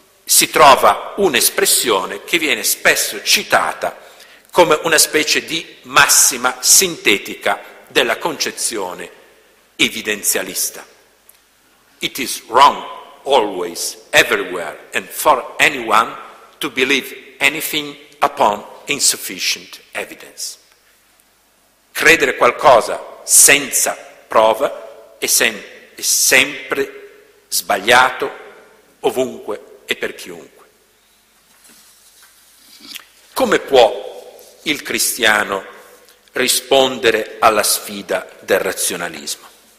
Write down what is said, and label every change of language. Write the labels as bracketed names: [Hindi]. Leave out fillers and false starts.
[Italian] si trova un'espressione che viene spesso citata come una specie di massima sintetica della concezione evidenzialista. [English] It is wrong, always, everywhere, and for anyone to believe anything upon insufficient evidence. [Italian] Credere qualcosa senza prova è sempre sbagliato, ovunque e per chiunque. Come può il cristiano rispondere alla sfida del razionalismo?